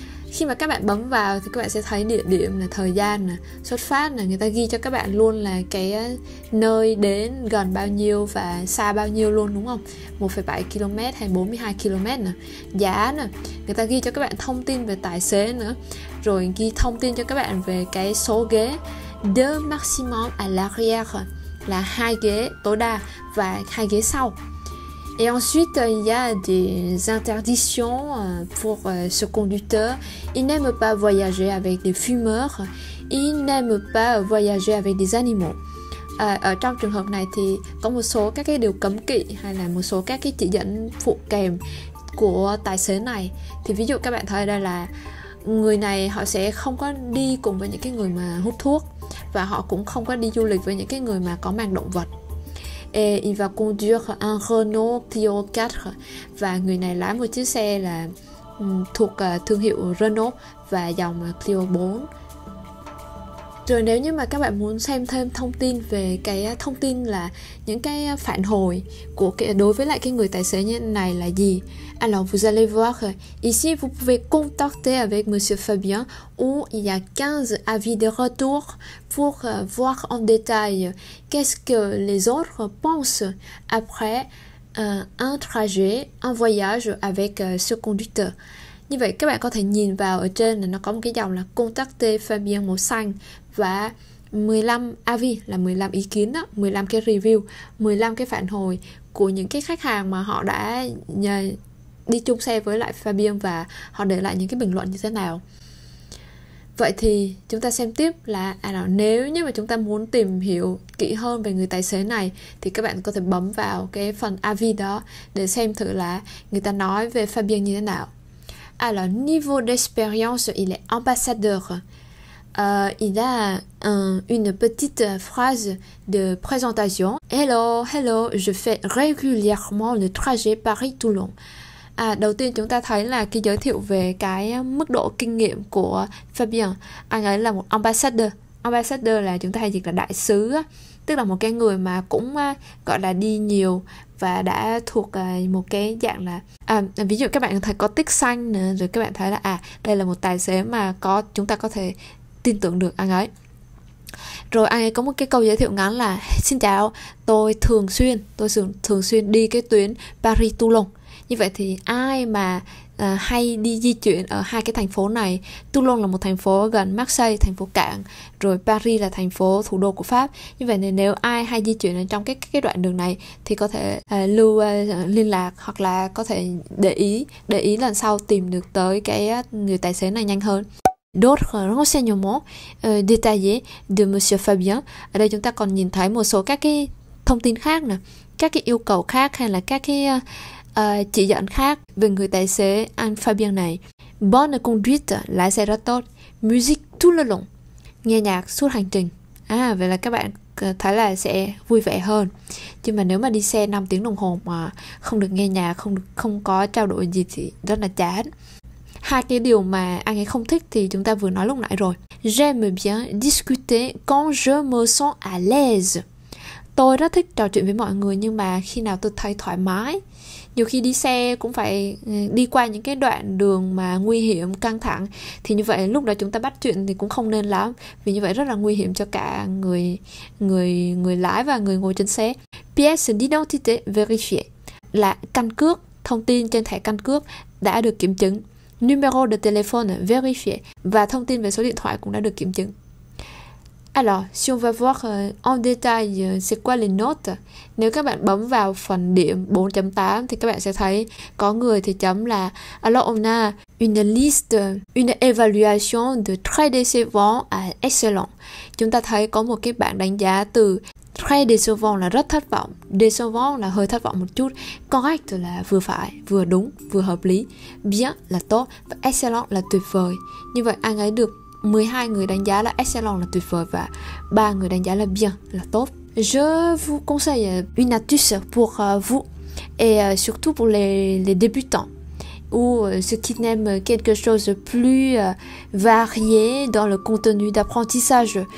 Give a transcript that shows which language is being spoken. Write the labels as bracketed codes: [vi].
[vi] Khi mà các bạn bấm vào thì các bạn sẽ thấy địa điểm là thời gian là xuất phát là người ta ghi cho các bạn luôn là cái nơi đến gần bao nhiêu và xa bao nhiêu luôn đúng không? 1,7 km hay 42 km nè. Giá nè, người ta ghi cho các bạn thông tin về tài xế nữa. Rồi ghi thông tin cho các bạn về cái số ghế [fr] de maximum à l'arrière [vi] là hai ghế tối đa và hai ghế sau. [fr] Et ensuite, il y a des interdictions pour ce conducteur. Il n'aime pas voyager avec des fumeurs. Il n'aime pas voyager avec des animaux. [vi] Ở trong trường hợp này thì có một số các cái điều cấm kỵ hay là một số các cái chỉ dẫn phụ kèm của tài xế này. Thì ví dụ các bạn thấy đây là người này họ sẽ không có đi cùng với những cái người mà hút thuốc và họ cũng không có đi du lịch với những cái người mà có mang động vật. [fr] Et il va conduire un Renault Clio 4 [vi] và người này lái một chiếc xe là thuộc thương hiệu Renault và dòng Clio 4. Rồi nếu như mà các bạn muốn xem thêm thông tin về cái thông tin là những cái phản hồi của cái đối với lại cái người tài xế như này là gì? [fr] Alors vous allez voir ici vous pouvez contacter avec Monsieur Fabien où il y a 15 avis de retour pour voir en détail qu'est-ce que les autres pensent après un trajet, un voyage avec ce conducteur. [vi] Như vậy các bạn có thể nhìn vào ở trên là nó có một cái dòng là contacter Fabien màu xanh và 15 avis là 15 ý kiến đó, 15 cái review, 15 cái phản hồi của những cái khách hàng mà họ đã nhờ đi chung xe với lại Fabian và họ để lại những cái bình luận như thế nào. Vậy thì chúng ta xem tiếp là nếu như mà chúng ta muốn tìm hiểu kỹ hơn về người tài xế này thì các bạn có thể bấm vào cái phần avis đó để xem thử là người ta nói về Fabian như thế nào. [fr] Alors, niveau d'expérience, il est ambassadeur. Il a une petite phrase de présentation. Hello, hello, je fais régulièrement le trajet Paris-Toulon. [vi] À, đầu tiên chúng ta thấy là cái giới thiệu về cái mức độ kinh nghiệm của Fabien. Anh ấy là một ambassador. Ambassador là chúng ta hay dịch là đại sứ, tức là một cái người mà cũng gọi là đi nhiều và đã thuộc một cái dạng là ví dụ các bạn thấy có tích xanh nữa, rồi các bạn thấy là đây là một tài xế mà có chúng ta có thể tin tưởng được anh ấy. Rồi anh ấy có một cái câu giới thiệu ngắn là: "Xin chào, tôi thường xuyên đi cái tuyến Paris Toulon." Như vậy thì ai mà hay đi di chuyển ở hai cái thành phố này, Toulon là một thành phố gần Marseille, thành phố cảng, rồi Paris là thành phố thủ đô của Pháp. Như vậy nên nếu ai hay di chuyển ở trong cái đoạn đường này thì có thể lưu liên lạc, hoặc là có thể để ý lần sau tìm được tới cái người tài xế này nhanh hơn. [fr] D'autres renseignements détaillés de Monsieur Fabien. [vi] Ở đây chúng ta còn nhìn thấy một số các cái thông tin khác nè, các cái yêu cầu khác hay là các cái chỉ dẫn khác về người tài xế anh Fabien này. [fr] Bonne conduite, [vi] lái xe rất tốt. [fr] Musique tout le long, [vi] nghe nhạc suốt hành trình. À, vậy là các bạn thấy là sẽ vui vẻ hơn. Chứ mà nếu mà đi xe 5 tiếng đồng hồ mà không được nghe nhạc, không có trao đổi gì thì rất là chán. Hai cái điều mà anh ấy không thích thì chúng ta vừa nói lúc nãy rồi. [fr] J'aime bien discuter quand je me sens à l'aise. [vi] Tôi rất thích trò chuyện với mọi người nhưng mà khi nào tôi thấy thoải mái. Nhiều khi đi xe cũng phải đi qua những cái đoạn đường mà nguy hiểm, căng thẳng. Thì như vậy lúc đó chúng ta bắt chuyện thì cũng không nên lắm. Vì như vậy rất là nguy hiểm cho cả người người người lái và người ngồi trên xe. [fr] Pièce d'identité vérifiée [vi] là căn cước, thông tin trên thẻ căn cước đã được kiểm chứng. [fr] Numéro de téléphone vérifié [vi] và thông tin về số điện thoại cũng đã được kiểm chứng. [fr] Alors, si on va voir en détail c'est quoi les notes. [vi] Nếu các bạn bấm vào phần điểm 4.8 thì các bạn sẽ thấy có người thì chấm là: [fr] "Alors, on a une évaluation de très décevant à excellent." [vi] Chúng ta thấy có một cái bảng đánh giá từ très décevant là rất thất vọng, décevant là hơi thất vọng một chút, correct là vừa phải, vừa đúng, vừa hợp lý, bien là tốt và excellent là tuyệt vời. Như vậy anh ấy được 12 người đánh giá là excellent là tuyệt vời và 3 người đánh giá là bien là tốt. [fr] Je vous conseille une astuce pour vous et surtout pour les débutants ou ceux qui n'aiment quelque chose de plus varié dans le contenu d'apprentissage.